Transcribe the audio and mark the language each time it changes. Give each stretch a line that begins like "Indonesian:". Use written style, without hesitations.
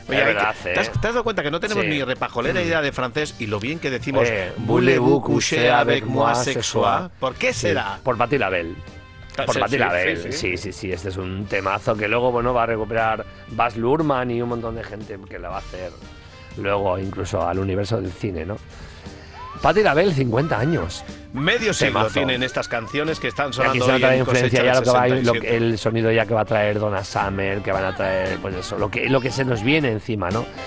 Spanish: Oye, verdad, que, ¿te has dado cuenta que no tenemos ni repajolera idea de francés y lo bien que decimos
French: voulez-vous coucher avec moi sexual?
Spanish: ¿Por qué será? Por Patti LaBelle. Por Patti LaBelle. Sí. Este es un temazo que luego, bueno, va a recuperar Baz Luhrmann y un montón de gente que la va a hacer luego incluso al universo del cine, ¿no? Patti LaBelle, 50 años. Medio siglo tienen estas canciones que están sonando. Aquí se va a traer influencia ya el sonido ya que va a traer Donna Summer, que van a traer, pues eso, lo que se nos viene encima, ¿no?